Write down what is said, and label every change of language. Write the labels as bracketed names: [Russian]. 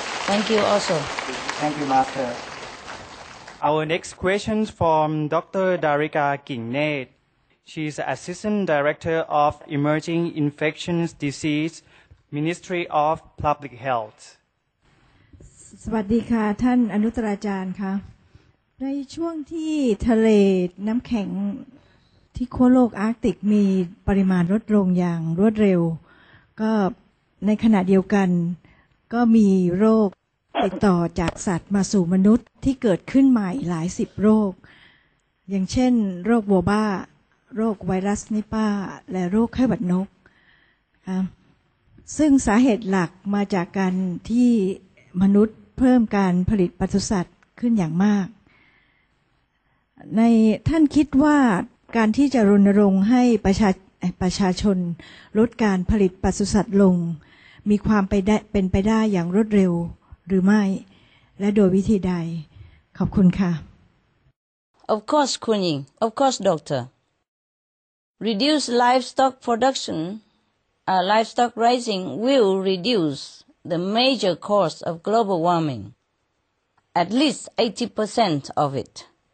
[English] Thank you also. Thank you, Master. Our next question from Dr. Darika Kingnet. She is Assistant Director of Emerging Infectious DiseaseMinistry of Public Health. [Thai] สวัสดีค่ะท่านอนุตราจารย์ค่ะในช่วงที่ทะเลน้ำแข็งที่ขั้วโลกอาร์กติกมีปริมาณลดลงอย่างรวดเร็วก็ในขณะเดียวกันก็มีโรคติดต่อจากสัตว์มาสู่มนุษย์ที่เกิดขึ้นใหม่หลายสิบโรค อย่างเช่นโรควัวบ้าโรคไวรัสนิป้าและโรคไข้หวัดนกค่ะซึ่งสาเหตุหลักมาจากการที่มนุษย์เพิ่มการผลิตปศุสัตว์ขึ้นอย่างมาก ในท่านคิดว่าการที่จะรณรงค์ให้ประชาชนลดการผลิตปศุสัตว์ลงมีความไปเป็นไปได้อย่างรวดเร็วหรือไม่และโดยวิธีใดขอบคุณค่ะ [English] Of course คุณหญิง Of course doctor reduce livestock productionlivestock raising will reduce the major cause of global warming, at least 80% of it.